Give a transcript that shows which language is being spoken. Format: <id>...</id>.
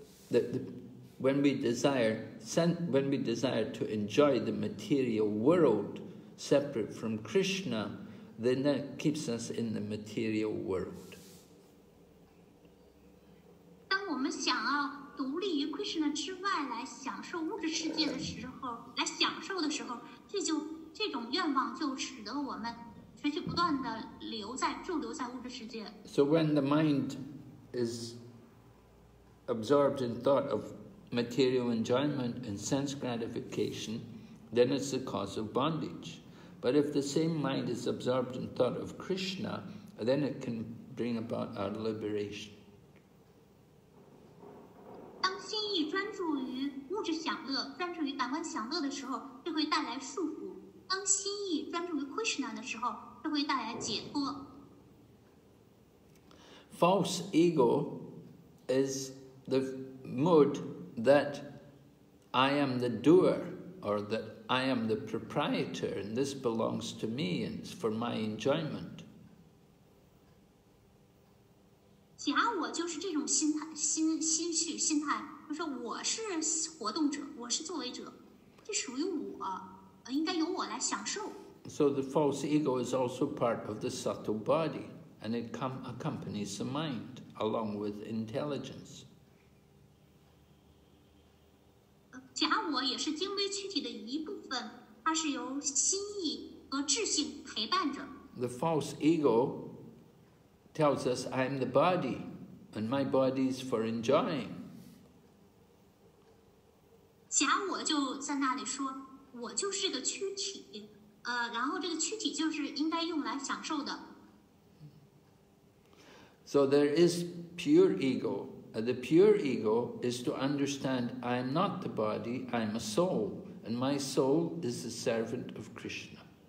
<en>When we desire to enjoy the material world separate from Krishna, then that keeps us in the material world.</en> <zh>们想要独立于 Krishna 之外来享受物质世界的时候，来享受的时候，这种愿望就使得我们持续不断的驻留在物质世界。</zh> <en>So when the mind is absorbed in thought of material enjoyment and sense gratification, then it's the cause of bondage. But if the same mind is absorbed in thought of Krishna, then it can bring about our liberation.</en> <zh>当心意专注于物质享乐，专注于感官享乐的时候，就会带来束缚。当心意专注于 Krishna 的时候，就会带来解脱。</zh> <en>False ego is the mood that I am the doer, or that I am the proprietor, and this belongs to me, and it's for my enjoyment.</en> <zh>假我就是这种心态，就是我是活动者，我是作为者，这属于我，应该由我来享受。</zh> <en>So the false ego is also part of the subtle body, and it accompanies the mind along with intelligence.</en> <zh>假我也是精微躯体的一部分，它是由心意和智性陪伴着。</zh> <en>The false ego tells us I'm the body, and my body is for enjoying.</en> <zh>假我就在那里说，我就是个躯体，然后这个躯体就是应该用来享受的。</zh> <en>So there is pure ego. The pure ego is to understand I am not the body, I am a soul, and my soul is the servant of Krishna.</en>